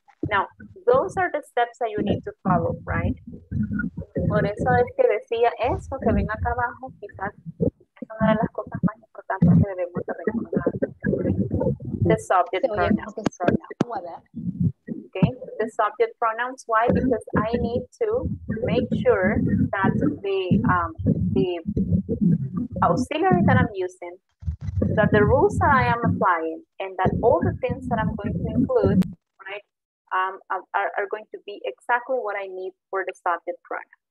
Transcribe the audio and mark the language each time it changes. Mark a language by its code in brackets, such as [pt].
[en] Now, those are the steps that you need to follow, right? [es] Por eso es que decía eso, que ven acá abajo, quizás es una de las cosas más importantes que debemos de recordar. [en] The subject pronouns. Okay, the subject pronouns, why? Because I need to make sure that the auxiliary that I'm using, that the rules that I am applying, and that all the things that I'm going to include, right, are going to be exactly what I need for the subject pronoun.